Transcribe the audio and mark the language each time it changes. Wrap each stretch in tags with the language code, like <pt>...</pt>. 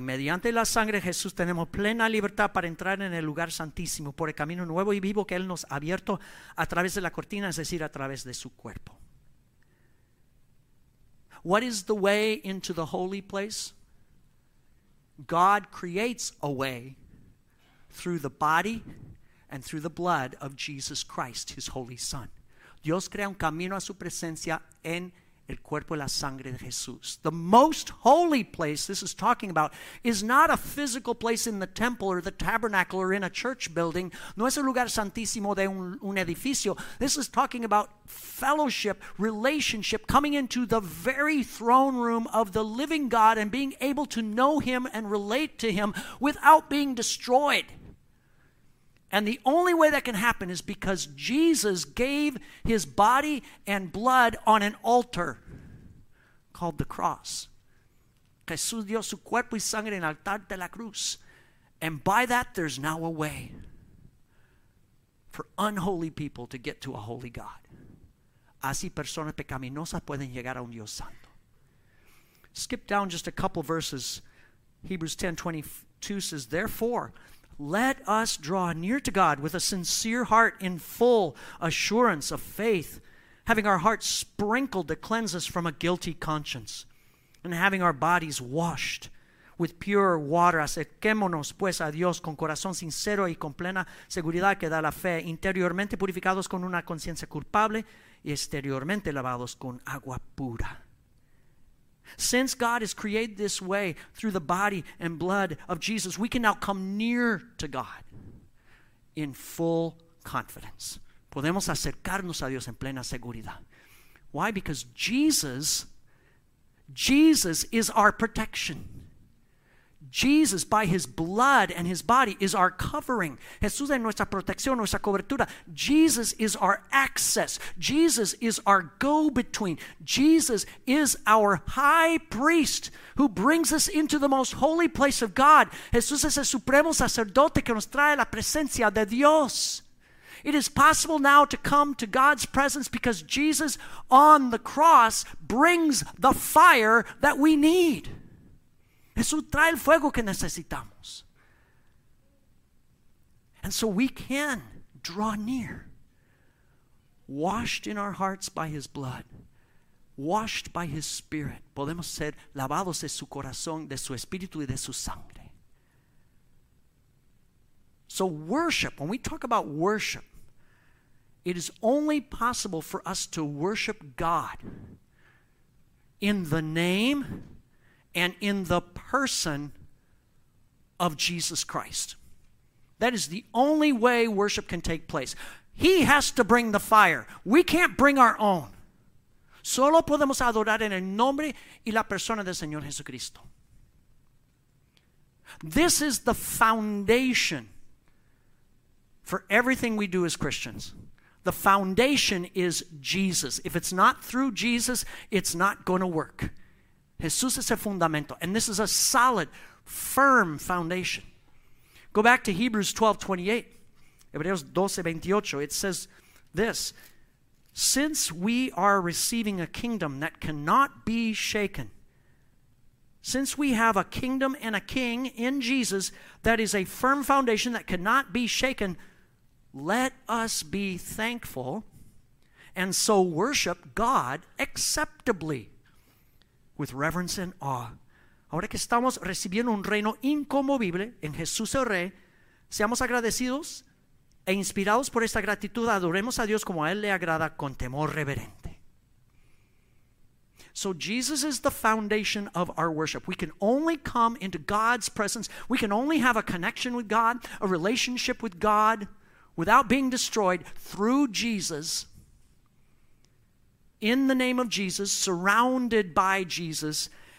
<es>Mediante la sangre de Jesús tenemos plena libertad para entrar en el lugar santísimo por el camino nuevo y vivo que él nos ha abierto a través de la cortina, es decir, a través de su cuerpo.</es> <en>What is the way into the holy place? God creates a way through the body and through the blood of Jesus Christ, his holy son.</en> <es>Dios crea un camino a su presencia en el cuerpo y la sangre de Jesús.</es> <en>The most holy place this is talking about is not a physical place in the temple or the tabernacle or in a church building.</en> <es>No es el lugar santísimo de un edificio.</es> <en>This is talking about fellowship, relationship, coming into the very throne room of the living God and being able to know him and relate to him without being destroyed. And the only way that can happen is because Jesus gave his body and blood on an altar called the cross.</en> <es>Jesús dio su cuerpo y sangre en el altar de la cruz.</es> <en>And by that, there's now a way for unholy people to get to a holy God.</en> <es>Así personas pecaminosas pueden llegar a un Dios santo.</es> <en>Skip down just a couple verses. Hebrews 10:22 says, therefore, let us draw near to God with a sincere heart in full assurance of faith, having our hearts sprinkled to cleanse us from a guilty conscience, and having our bodies washed with pure water.</en> <es>Acerquémonos pues a Dios con corazón sincero y con plena seguridad que da la fe, interiormente purificados con una conciencia culpable y exteriormente lavados con agua pura.</es> <en>Since God has created this way through the body and blood of Jesus, we can now come near to God in full confidence.</en> <es>Podemos acercarnos a Dios en plena seguridad.</es> <en>Why? Because Jesus is our protection. Jesus, by his blood and his body, is our covering.</en> <es>Jesús es nuestra protección, nuestra cobertura.</es> <en>Jesus is our access. Jesus is our go-between. Jesus is our high priest who brings us into the most holy place of God.</en> <es>Jesús es el supremo sacerdote que nos trae la presencia de Dios.</es> <en>It is possible now to come to God's presence because Jesus on the cross brings the fire that we need.</en> <es>Jesús trae el fuego que necesitamos.</es> <en>And so we can draw near, washed in our hearts by his blood, washed by his spirit.</en> <es>Podemos ser lavados de su corazón, de su espíritu y de su sangre.</es> <en>So worship, when we talk about worship, it is only possible for us to worship God in the name and in the person of Jesus Christ. That is the only way worship can take place. He has to bring the fire. We can't bring our own.</en> <es>Solo podemos adorar en el nombre y la persona del Señor Jesucristo.</es> <en>This is the foundation for everything we do as Christians. The foundation is Jesus. If it's not through Jesus, it's not going to work.</en> <es>Jesús es el fundamento.</es> <en>And this is a solid, firm foundation. Go back to Hebreos 12:28. It says this: since we are receiving a kingdom that cannot be shaken, since we have a kingdom and a king in Jesus that is a firm foundation that cannot be shaken, let us be thankful and so worship God acceptably, with reverence and awe.</en> <es>Ahora que estamos recibiendo un reino inconmovible en Jesús el Rey, seamos agradecidos e inspirados por esta gratitud, adoremos a Dios como a Él le agrada, con temor reverente.</es> <en>So Jesus is the foundation of our worship. We can only come into God's presence. We can only have a connection with God, a relationship with God, without being destroyed through Jesus. In the name of Jesus, surrounded by Jesus.</en>